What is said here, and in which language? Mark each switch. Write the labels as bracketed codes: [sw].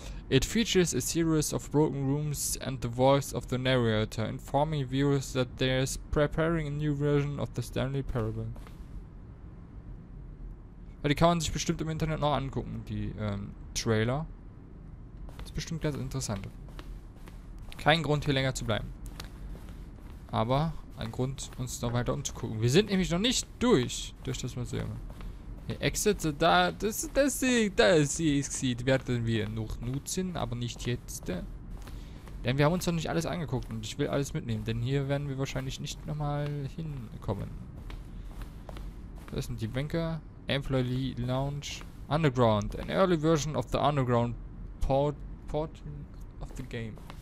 [en] It features a series of broken rooms and the voice of the narrator informing viewers that there is preparing a new version of the Stanley Parable. [de] Ja, die kann man sich bestimmt im Internet noch angucken, die Trailer. Das ist bestimmt ganz interessant. Kein Grund, hier länger zu bleiben. Aber ein Grund, uns noch weiter umzugucken. Wir sind nämlich noch nicht durch das Museum. Hier, Exit, da, das sieht, werden wir noch nutzen, aber nicht jetzt. Denn wir haben uns noch nicht alles angeguckt und ich will alles mitnehmen, denn hier werden wir wahrscheinlich nicht nochmal hinkommen. Das sind die Bänke. [en] Employee Lounge Underground, an early version of the underground port of the game.